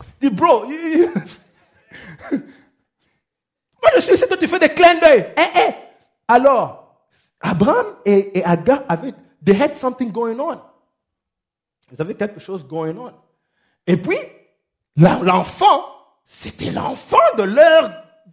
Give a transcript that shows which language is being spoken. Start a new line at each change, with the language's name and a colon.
French: Dis bro, moi, je suis ici, toi, tu fais des clins d'œil. Alors, Abraham et Agar avaient,
English: they had something going on.
French: Ils avaient quelque chose
English: going on.
French: Et puis, l'enfant, c'était l'enfant de leur...